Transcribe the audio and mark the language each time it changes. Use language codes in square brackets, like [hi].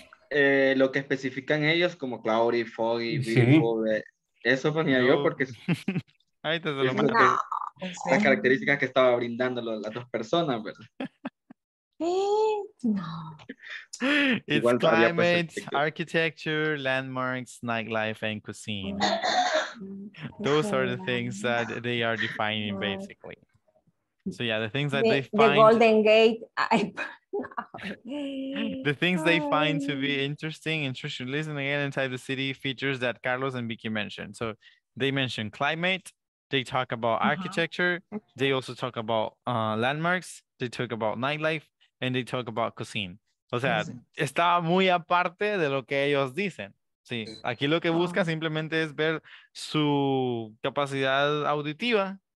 [es] lo que especifican ellos como [en] cloudy, foggy, [es] eso ponía yo porque ahí te lo mando. Las características que estaba brindando las dos personas, ¿verdad? [en] Igual it's climate, architecture, landmarks, nightlife and cuisine. Those are the things that they are defining basically. So yeah, the things that they find. The Golden Gate. The things they find to be interesting, interesting. Listen again inside the city features that Carlos and Vicky mentioned. So they mentioned climate. They talk about architecture. Okay. They also talk about landmarks. They talk about nightlife and they talk about cuisine. [es] O sea, está muy aparte de lo que ellos dicen. Sí, aquí lo que busca simplemente es ver su capacidad auditiva.